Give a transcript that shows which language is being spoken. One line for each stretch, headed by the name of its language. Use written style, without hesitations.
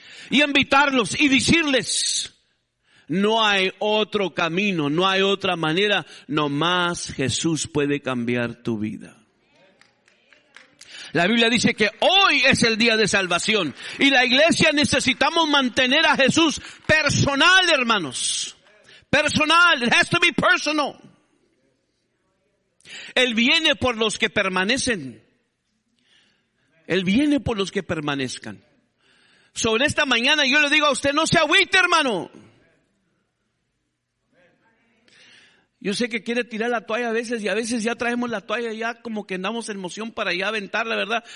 Spanish: Y invitarlos y decirles. No hay otro camino, no hay otra manera, nomás Jesús puede cambiar tu vida. La Biblia dice que hoy es el día de salvación y la iglesia necesitamos mantener a Jesús personal, hermanos.
English: Personal, it has to be personal.
Spanish: Él viene por los que permanecen. Él viene por los que permanezcan. Sobre esta mañana yo le digo a usted, no se agüite, hermano. Yo sé que quiere tirar la toalla a veces y a veces ya traemos la toalla ya como que andamos en moción para ya aventarla, ¿verdad?